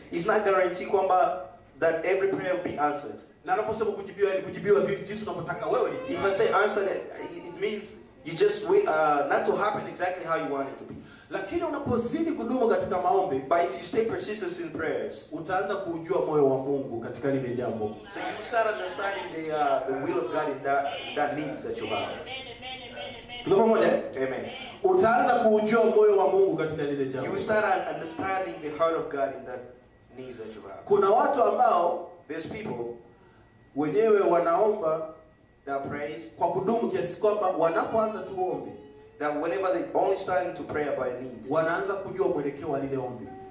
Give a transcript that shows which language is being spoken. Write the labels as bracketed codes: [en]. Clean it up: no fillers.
[en] It's not guaranteed kwamba that every prayer will be answered. [sw] Na unaposema kujibiwa ni kujibiwa vile Yesu anapotaka wewe. [en] If I say answered, it means you just wait not to happen exactly how you want it to be. [sw] Lakini unapozidi kudumu katika maombi, [en] by if you stay persistent in prayers, [sw] utaanza kujua moyo wa Mungu katika lile jambo. [en] So you start understanding the will of God in that needs that you have. [sw] Tuko pamoja? Amen. Utaanza kujua moyo wa Mungu katika lile jambo. [en] You start understanding the heart of God in that needs that you have. [sw] Kuna watu ambao [en] these people [sw] wenyewe wanaomba [en] that praise [sw] kwa kudumu kiasi kwamba wanapoanza tu ombi, [en] that whenever they only starting to pray about a need, [sw] wanaanza kujua mwelekeo wa lile ombi.